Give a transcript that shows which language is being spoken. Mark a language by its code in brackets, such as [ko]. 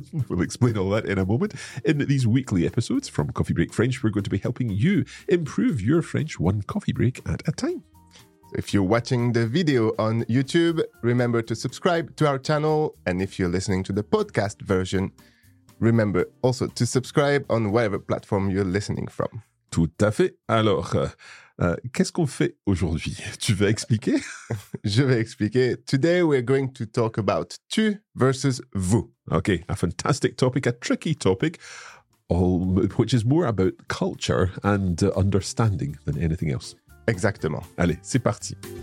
[en] We'll explain all that in a moment. In these weekly episodes from Coffee Break French, we're going to be helping you improve your French one coffee break at a time. If you're watching the video on YouTube, remember to subscribe to our channel. And if you're listening to the podcast version, remember also to subscribe on whatever platform you're listening from. [fr] Tout à fait. Alors, qu'est-ce qu'on fait aujourd'hui? Tu veux expliquer? Je vais expliquer. [en] Today we're going to talk about tu versus vous. Okay, a fantastic topic, a tricky topic, all which is more about culture and understanding than anything else. [fr] Exactement. Allez, c'est parti.